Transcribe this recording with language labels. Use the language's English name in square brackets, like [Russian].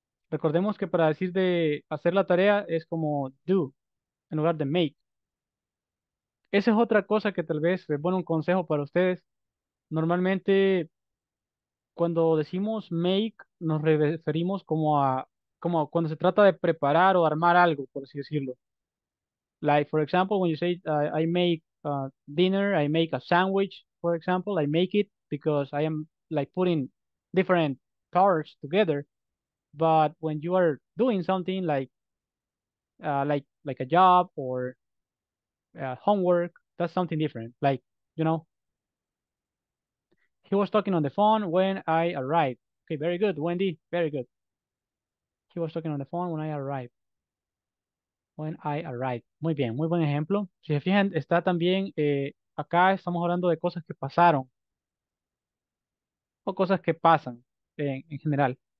[Spanish] Recordemos que para decir de hacer la tarea es como do, en lugar de make. Esa es otra cosa que tal vez, bueno, un consejo para ustedes. Normalmente, cuando decimos make, nos referimos como a, como cuando se trata de preparar o armar algo, por así decirlo. [English] Like, for example, when you say, I make dinner, I make a sandwich, for example, I make it because I am, like, putting different parts together. But when you are doing something like a job or homework, that's something different. Like, you know, he was talking on the phone when I arrived. Okay, very good, Wendy. Very good. He was talking on the phone when I arrived. When I arrived. [Spanish] Muy bien, muy buen ejemplo. Si se fijan, está también acá estamos hablando de cosas que pasaron o cosas que pasan en general.